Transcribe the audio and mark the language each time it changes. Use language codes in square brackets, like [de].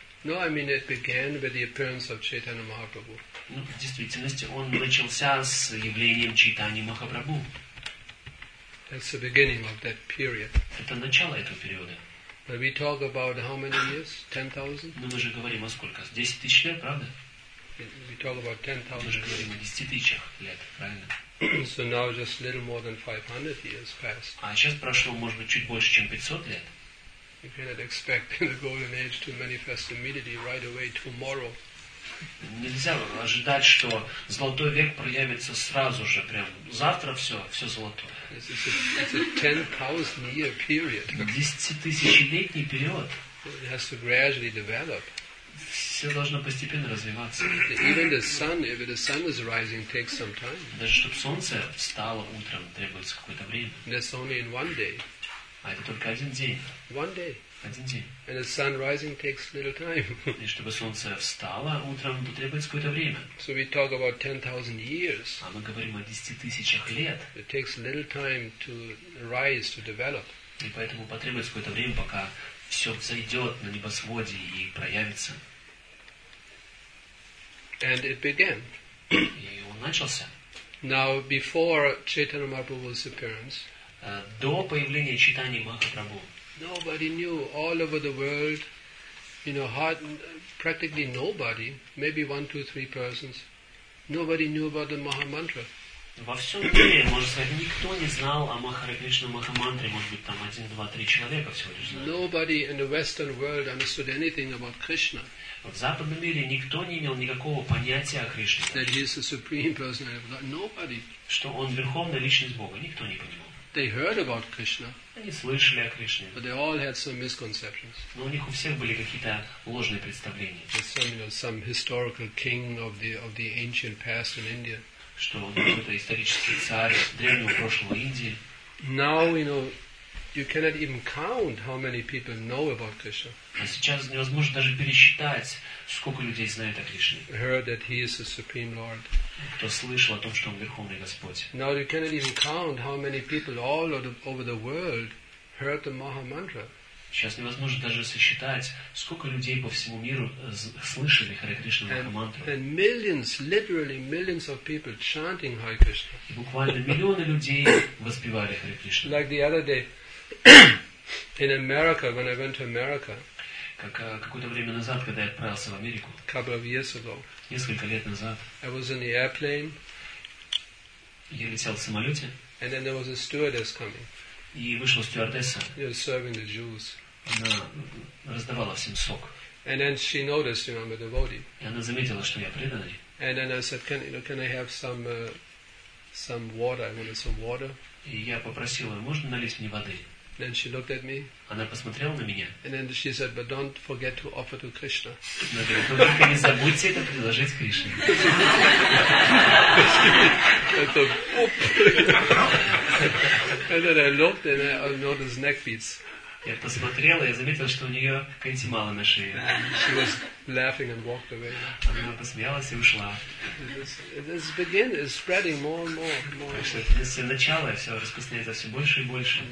[en] No, I mean it began with the appearance of Chaitanya Mahaprabhu. [ru] Ну, в действительности, он начался с явлением Чайтани Махапрабху. [en] That's the beginning of that period. [ru] Это начало этого периода. [en] But we talk about how many years? 10,000? [ru] Но мы же говорим о сколько? 10,000 лет, правда? [en] We talk about 10,000. [ru] Мы же говорим о 10,000 лет, правильно? [en] So now just a little more than 500 years passed. [ru] А сейчас прошло, может быть, чуть больше, чем 500 лет. [en] You cannot expect the golden age to manifest immediately right away tomorrow. [ru] Нельзя ожидать, что золотой век проявится сразу же, прям завтра все золотое. [en] It's a 10,000 year period. [ru] 10,000-летний период. [en] It has to gradually develop. [ru] Все должно постепенно развиваться. [en] Even the sun, if the sun is rising, takes some time. [ru] Даже чтобы солнце встало утром, требуется какое-то время. [en] That's only in one day. [ru] А это только один день. [en] One day. [ru] Один день. [en] And the sun rising takes little time. [ru] И чтобы солнце встало утром, то требуется какое-то время. [en] So we talk about 10,000 years. [ru] А мы говорим о 10,000 лет. [en] It takes little time to rise, to develop. [ru] И поэтому потребуется какое-то время, пока все взойдет на небосводе и проявится. [en] And it began. [ru] И он начался. [en] Now, before Chaitanya Mahaprabhu's appearance, [ru] до появления Чайтаньи Махапрабху, [en] nobody knew all over the world, you know, practically nobody, maybe 1, 2, 3 persons, nobody knew about the Maha Mantra. [ru] Во всем мире, может быть, никто не знал о Махаре Кришна Махамантре, может быть, там 1, 2, 3 человека всего лишь знали. [en] Nobody in the Western world understood anything about Krishna. [ru] В западном мире никто не имел никакого понятия о Кришне. [en] That he is the supreme person. Nobody. [ru] Что он верховная личность Бога. Никто не понимал. [en] They heard about Krishna. [ru] Они слышали о Кришне. [en] But they all had some misconceptions. [ru] Но у них у всех были какие-то ложные представления. [en] That some, you know, some historical king of the ancient past in India. [ru] Что он какой-то исторический царь древнего прошлого Индии. [en] Now, you know, you cannot even count how many people know about Krishna. [ru] А сейчас невозможно даже пересчитать, сколько людей знает о Кришне. [en] Heard that he is the supreme Lord. [ru] Кто слышал о том, что он верховный Господь. [en] Now you cannot even count how many people all over the world heard the Maha Mantra. [ru] Сейчас невозможно даже сосчитать, сколько людей по всему миру слышали Харе Кришна Маха Мантру. [en] And millions, literally millions of people chanting Hare Krishna. [ru] И буквально миллионы людей воспевали Харе Кришна. [en] Like the other day. In America, when I went to America, [ru] какое-то время назад, когда я отправился в Америку, [en] couple of years ago, [ru] несколько лет назад, [en] I was in the airplane, [ru] я летел в самолете, [en] and then there was a stewardess coming, [ru] и вышла стюардесса, [en] she was serving the Jews, [ru] она раздавала всем сок, [en] and then she noticed, you know, I'm a devotee, [ru] и она заметила, что я преданный, [en] and then I said, can I have some water? I wanted some water. [ru] И я попросил, можно налить мне воды? [en] Then she looked at me. [ru] Она посмотрела на меня. [en] And then she said, "But don't forget to offer to Krishna." [ru] Только не забудьте это предложить Кришне. Это оп. [en] And then I looked and I noticed neck beads. [ru] Я посмотрела и заметила, что у нее канти мало на шее. [en] She was laughing and walked away. [ru] Она посмеялась и ушла. [en] This begin is spreading more and more. [ru] Так что это все начало, все распространяется все больше и больше.